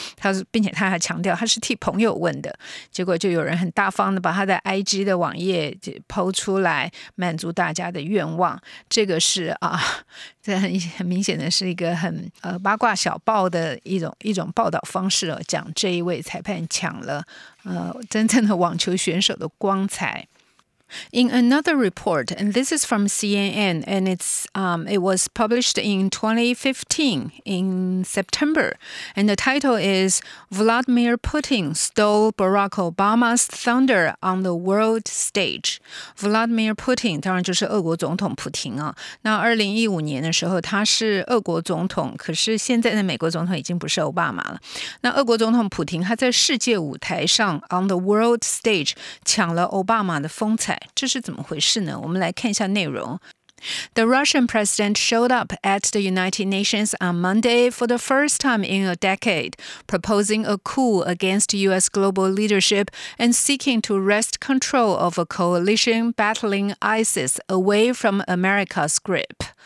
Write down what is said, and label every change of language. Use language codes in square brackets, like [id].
[zh] 他并且他还强调他是替朋友问的，结果就有人很大方的把他的 IG 的网页抛出来，满足大家的愿望。这个是啊，这 很明显的是一个很、八卦小报的一种报道方式、讲这一位裁判抢了、真正的网球选手的光彩。 [en] In another report, and this is from CNN, and it was published in 2015 in September, and the title is Vladimir Putin Stole Barack Obama's Thunder on the World Stage. [zh] Vladimir Putin 当然就是俄国总统普廷啊。那2015年的时候他是俄国总统，可是现在的美国总统已经不是奥巴马了。那俄国总统普廷他在世界舞台上 [en] on the world stage [zh] 抢了奥巴马的风采。这是怎么回事呢？我们来看一下内容。 [en] The Russian president showed up at the United Nations on Monday for the first time in a decade, proposing a coup against U.S. global leadership and seeking to wrest control of a coalition battling ISIS away from America's grip.